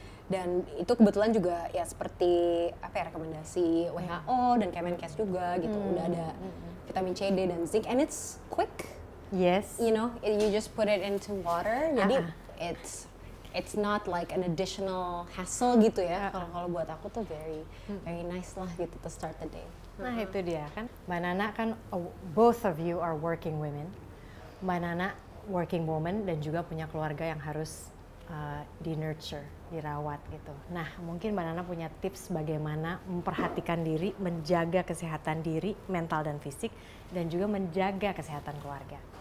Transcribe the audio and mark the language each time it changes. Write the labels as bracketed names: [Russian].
[Indonesian] Dan itu kebetulan juga ya seperti apa ya, rekomendasi WHO dan Kemenkes juga gitu, udah ada vitamin C, D dan zinc, [English] and it's quick. Yes. You know, you just put it into water. [Indonesian] Jadi [English] it's not like an additional hassle [Indonesian] gitu ya. Kalau buat aku tuh [English] very very nice [Indonesian] lah gitu [English] to start the day. [Indonesian] Nah, itu dia kan. [English] Mbak Nana kan, both of you are working women. [Indonesian] Mbak Nana working woman dan juga punya keluarga yang harus di nurture, dirawat gitu. Nah, mungkin Mbak Nana punya tips bagaimana memperhatikan diri, menjaga kesehatan diri, mental dan fisik, dan juga menjaga kesehatan keluarga.